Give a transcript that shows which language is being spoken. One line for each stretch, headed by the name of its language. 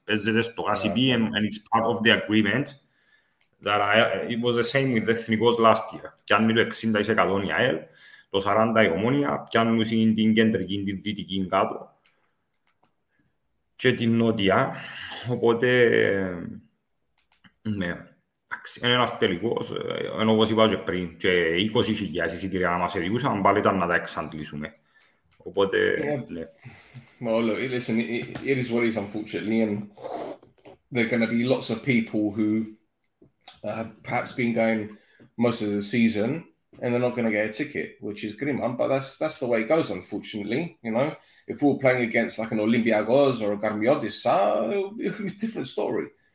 Greek: Παίζεται στο ACB
English: and it's part of the agreement that it was the same with the Εθνικός last year.
Greek: Κι αν μιλώ 60% η ΑΕΛ, το 40 η Ομόνια, πιάνουν την κεντρική, την δυτική κάτω και την νότια. Οπότε, ναι, είναι ένας τελικός, ενώ όπως είπα και πριν, και 20.000 εισιτήρια να μας εδιούσαν, πάλι ήταν να τα εξαντλήσουμε. Οπότε,
English: Well, look, listen, it is what it is, unfortunately, and there are going to be lots of people who perhaps been going most of the season, and they're not going to get a ticket, which is grim, but that's the way it goes, unfortunately. You know, if we were playing against like an Olympiacos or a Garmiodissa, it would be a different story.